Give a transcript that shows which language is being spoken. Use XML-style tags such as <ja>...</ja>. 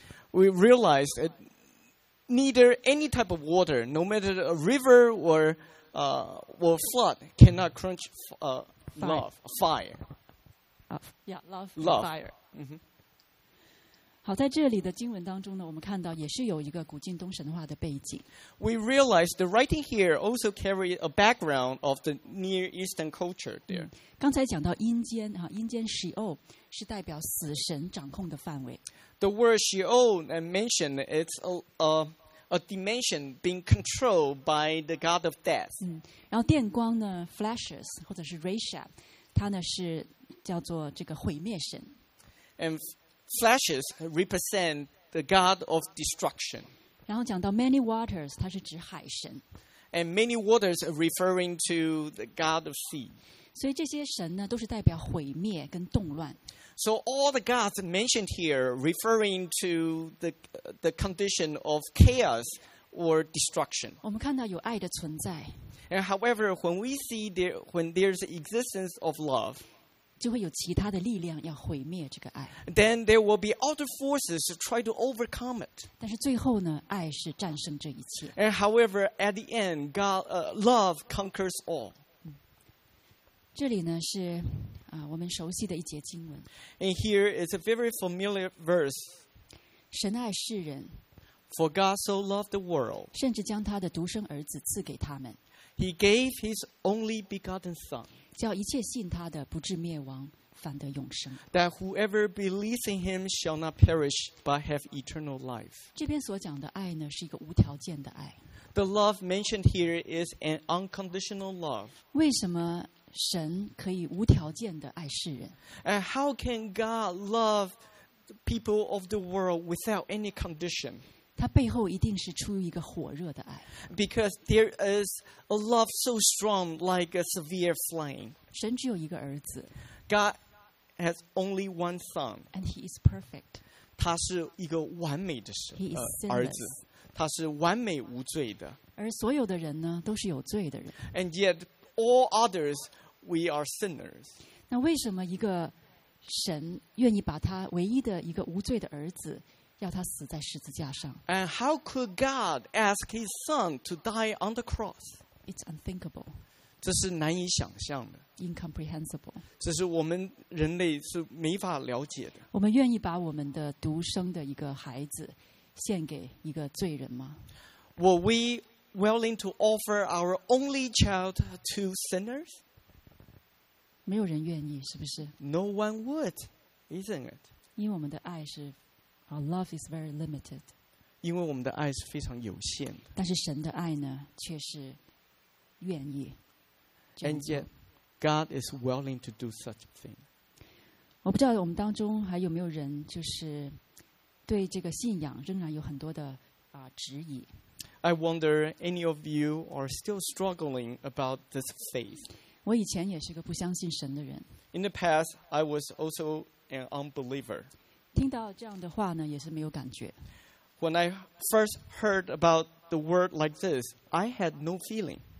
<en>We realized that neither any type of water no matter a river orwell, flood cannot crunch fire. Love. Fire.</en> <zh>好，在这里的经文当中呢，我们看到也是有一个古近东神话的背景。</zh> <en>We realize the writing here also carry a background of the Near Eastern culture there.</en> <zh>刚才讲到阴间啊，阴间 Sheol 是代表死神掌控的范围。</zh> <en>The word Sheol I mentioned it's a dimension being controlled by the god of death.</en> <zh>然后电光呢 ，flashes 或者是 Rasha， 它呢是叫做这个毁灭神。</zh> <en>And flashes represent the god of destruction.</en> <zh>然后讲到 many waters， 它是指海神。</zh> <en>And many waters referring to the god of sea.</en> <zh>所以这些神呢，都是代表毁灭跟动乱。</zh> <en>So all the gods mentioned here referring to the condition of chaos or destruction.</en> <zh>我们看到有爱的存在。</zh> <en>And however, when we see when there's existence of love,</en> <zh>就会有其他的力量要毁灭这个爱。</zh> <en>Then there will be other forces to try to overcome it.</en> <zh>但是最后呢，爱是战胜这一切。</zh> <en>And however, at the end, love conquers all.</en> <zh>这里呢是。我们熟悉的一节经文。</zh> <en>And here is a very familiar verse.</en> <zh>神爱世人。</zh> <en>For God so loved the world.</en> <zh>甚至将他的独生儿子赐给他们。</zh> <en>He gave his only begotten son.</en> <zh>叫一切信他的不至灭亡，反得永生。</zh> <en>That whoever believes in him shall not perish, but have eternal life.</en> <zh>这边所讲的爱呢，是一个无条件的爱。</zh> <en>The love mentioned here is an unconditional love.</en> <zh>为什么？神可以无条件的爱世人。</zh> <en>And how can God love the people of the world without any condition?</en> <zh>他背后一定是出于一个火热的爱。</zh> <en>Because there is a love so strong like a severe flame.</en> <zh>神只有一个儿子。</zh> <en>God has only one son. And he is perfect.</en> <zh>他是一个完美的神。</zh> <en>He is sinless.</en> <zh>他是完美无罪的。而所有的人呢，都是有罪的人。</zh> <en>And yet,All others, we are sinners.</en> <zh>那为什么一个神愿意把他唯一的一个无罪的儿子，要他死在十字架上</zh> <en>？And how could God ask His Son to die on the cross? It's unthinkable.</en> <zh>这是难以想象的。</zh> <en>Incomprehensible.</en> <zh>这是我们人类是没法了解的。我们愿意把我们的独生的一个孩子献给一个罪人吗</zh> <en>？Will we willing to offer our only child to sinners?</en> <zh>没有人愿意，是不是？</zh> <en>No one would, isn't it?</en> <zh>因为我们的爱是</zh> <en>our love is very limited.</en> <zh>因为我们的爱是非常有限的。但是神的爱呢，却是愿意。</zh> <en>And yet, God is willing to do such a thing.</en> <zh>我不知道我们当中还有没有人就是对这个信仰仍然有很多的质疑。</zh> <en>I wonder any of you are still struggling about this faith.</en> <zh>我以前也是个不相信神的人。</zh> <en>In the past, I was also an unbeliever.</en> <zh>听到这样的话呢，也是没有感觉。</zh> <en>When I first heard about the word like this, I had no feeling.</en>